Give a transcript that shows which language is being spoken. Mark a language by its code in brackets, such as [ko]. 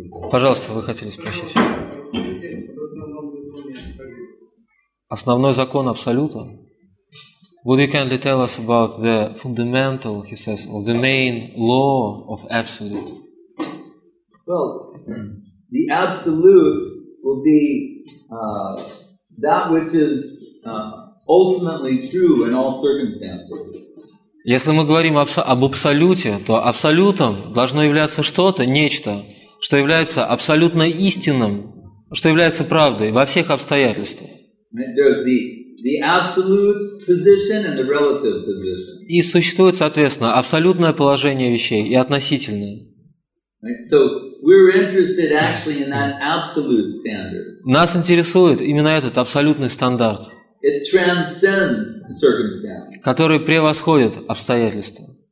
[ru] Пожалуйста, вы хотели спросить. Основной закон Абсолюта. [en] Would you kindly tell us about the fundamental, he says, of the main law of Absolute? Well, the Absolute will be that which is ultimately true in all circumstances. [ru] Если мы говорим об абсолюте, то абсолютом должно являться что-то, нечто, что является абсолютно истинным, что является правдой во всех обстоятельствах. [en] There's the absolute position and the relative position. [ru] И существует, соответственно, абсолютное положение вещей и относительное. [en] So we're interested actually in that absolute standard. [ru] Нас интересует именно этот абсолютный стандарт. [en] It transcends circumstances. [ru] Которые превосходят обстоятельства.